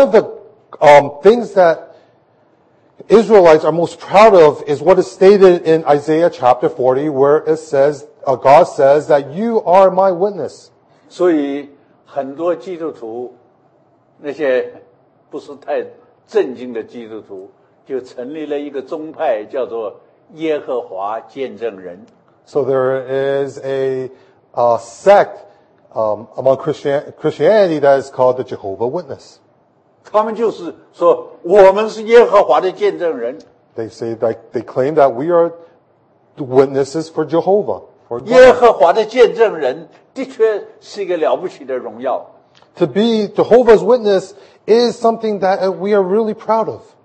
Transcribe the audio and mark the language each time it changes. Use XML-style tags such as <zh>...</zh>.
<en>of the things that Israelites are most proud of is what is stated in Isaiah chapter 40, where it says, God says that you are my witness.</en> <zh>所以很多基督徒那些不是太正经的基督徒就成立了一个宗派叫做耶和华见证人。</zh> <en>So there is a sect among Christianity that is called the Jehovah Witness.</en> <zh>他们就是说我们是耶和华的见证人。</zh> <en>They say that they claim that we are the witnesses for Jehovah.</en> <zh>耶和华的见证人的确是一个了不起的荣耀。</zh> <en>To be Jehovah's Witness is something that we are really proud of.</en>